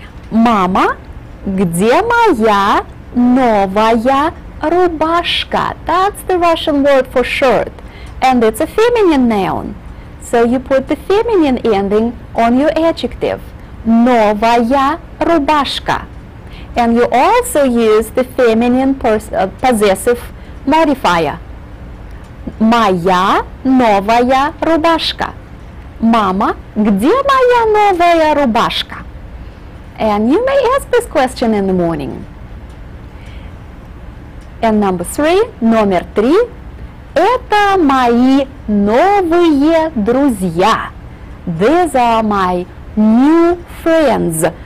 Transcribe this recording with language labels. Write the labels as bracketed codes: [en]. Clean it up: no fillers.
[ru] Мама, где моя новая рубашка? [en] That's the Russian word for shirt, and it's a feminine noun. So you put the feminine ending on your adjective. [ru] Новая рубашка. [en] And you also use the feminine possessive modifier. [ru] Моя новая рубашка. Мама, где моя новая рубашка? [en] And you may ask this question in the morning. And number three, [ru] номер три, это мои новые друзья. [en] These are my new friends.